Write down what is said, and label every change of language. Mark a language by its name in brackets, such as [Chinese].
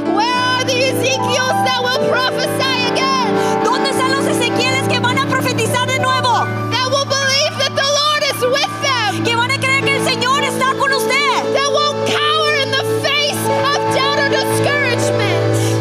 [English] Where are the Ezekiels that will prophesy again? [Spanish] ¿Dónde están los Ezequieles que van a profetizar de nuevo? [English] That will believe that the Lord is with them. [Spanish] Que van a creer que el Señor está con usted. [English] That won't cower in the face of doubt or discouragement.